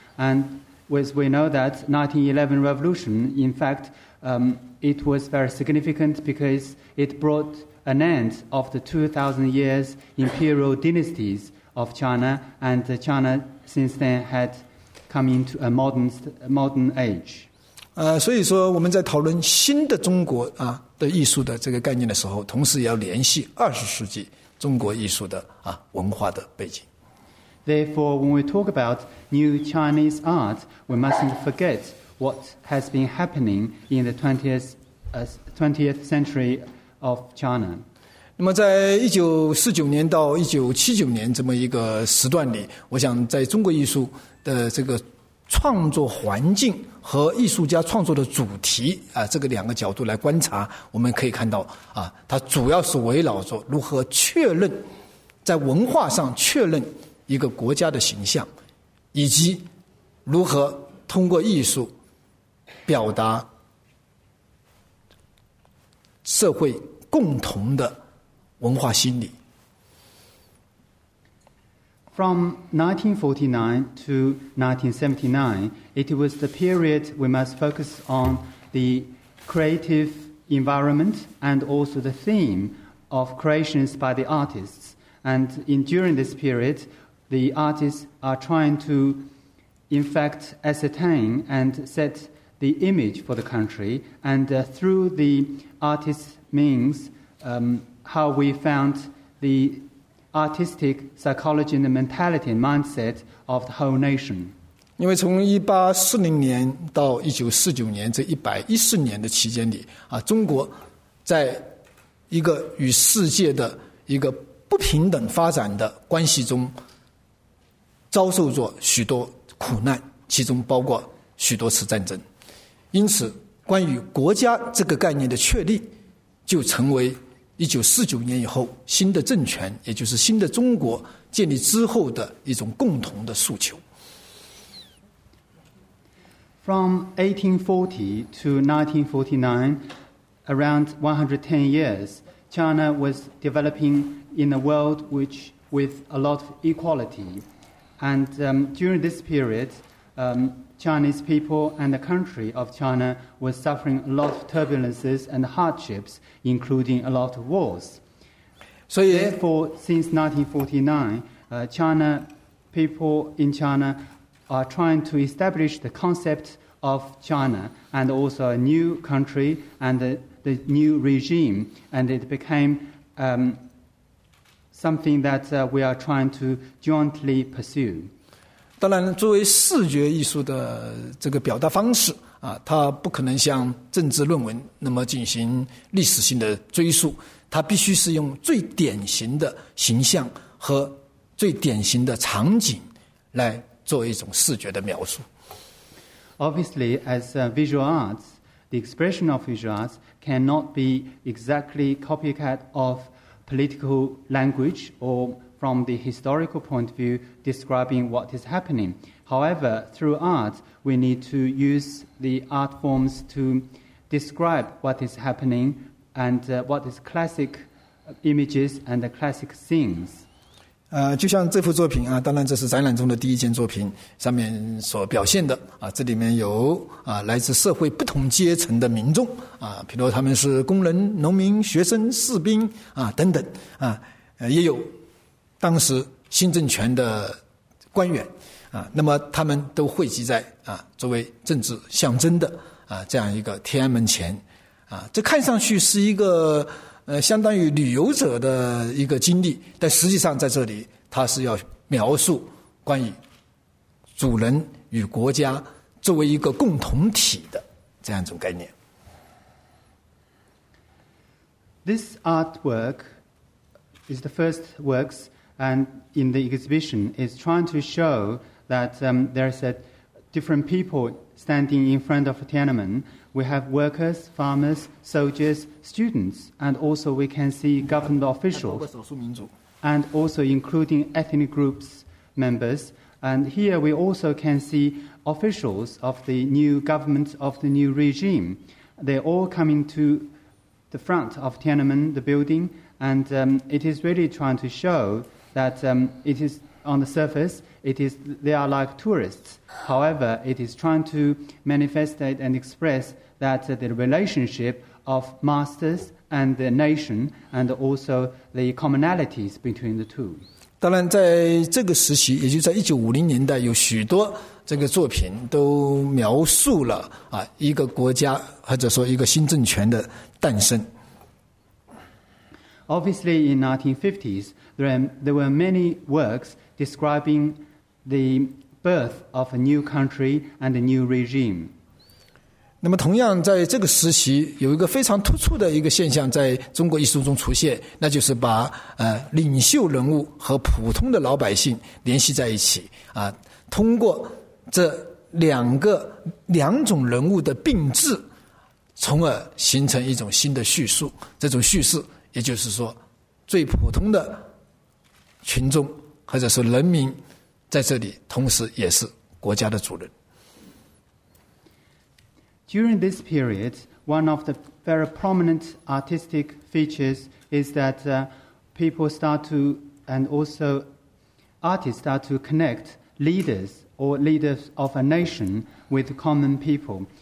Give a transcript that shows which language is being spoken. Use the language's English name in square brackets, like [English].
[English] And as we know that 1911 revolution, in fact,it was very significant because it brought an end of the 2,000 years imperial dynasties of China, and China since then had come into a modern age. [Chinese] 所以说我们在讨论新的中国啊的艺术的这个概念的时候，同时也要联系二十世纪中国艺术的啊文化的背景。 [English] Therefore, when we talk about new Chinese art, we mustn't forget what has been happening in the 20th century of China. [Chinese] 那么在1949年到1979年这么一个时段里，我想在中国艺术的这个创作环境和艺术家创作的主题啊，这个两个角度来观察，我们可以看到啊，它主要是围绕着如何确认在文化上确认一个国家的形象，以及如何通过艺术表达社会共同的文化心理。 [English] From 1949 to 1979, it was the period we must focus on the creative environment and also the theme of creations by the artists. And in during this period, the artists are trying to, in fact, ascertain and set the image for the country. And through the artist's means, how we found the... artistic psychology and the mentality and mindset of the whole nation. [Chinese] 因为从1840年到1949年这114年的期间里啊，中国在一个与世界的一个不平等发展的关系中遭受着许多苦难，其中包括许多次战争。因此关于国家这个概念的确立就成为1949年以后新的政权，也就是新的中国建立之后的一种共同的诉求。 [English] From 1840 to 1949, around 110 years, China was developing in a world which with a lot of equality. And during this period, Chinese people and the country of China were suffering a lot of turbulences and hardships, including a lot of wars. So, therefore, since 1949, China people in China are trying to establish the concept of China and also a new country and the new regime, and it became something that we are trying to jointly pursue. [Chinese] 当然，作为视觉艺术的这个表达方式啊，它不可能像政治论文那么进行历史性的追溯，它必须是用最典型的形象和最典型的场景来作为一种视觉的描述。 [English] Obviously, as visual arts, the expression of visual arts cannot be exactly copycat of political language or from the historical point of view describing what is happening. However, through art, we need to use the art forms to describe what is happening and what is classic images and the classic scenes. [Chinese] 就像这幅作品啊，当然这是展览中的第一件作品，上面所表现的啊，这里面有啊来自社会不同阶层的民众啊，比如他们是工人、农民、学生、士兵啊等等啊，也有当时新政权的官员啊，那么他们都汇集在啊作为政治象征的啊这样一个天安门前啊，这看上去是一个。相当于旅游者的一个经历，但实际上在这里，他是要描述关于主人与国家作为一个共同体的这样一种概念。 [English] This artwork is the first works, and in the exhibition, is trying to show that there's a different people standing in front of Tiananmen. We have workers, farmers, soldiers, students, and also we can see government officials, and also including ethnic groups members. And here we also can see officials of the new government of the new regime. They're all coming to the front of Tiananmen, the building, and it is really trying to show that it is on the surface, it is, they are like tourists. However, it is trying to manifest it and express that the relationship of masters and the nation and also the commonalities between the two. [Chinese] 当然在这个时期，也就在1950年代，有许多这个作品都描述了啊一个国家或者说一个新政权的诞生。 [English] Obviously, in 1950s, there were many works describing the birth of a new country and a new regime. [Chinese] 那么同样在这个时期有一个非常突出的一个现象在中国艺术中出现，那就是把领袖人物和普通的老百姓联系在一起啊，通过这两种人物的并置，从而形成一种新的叙述。这种叙事也就是说最普通的群众或者是人民在这里同时也是国家的主人。 [English] During this period, one of the very prominent artistic features is that people start to, and also artists start to connect leaders or leaders of a nation with common people.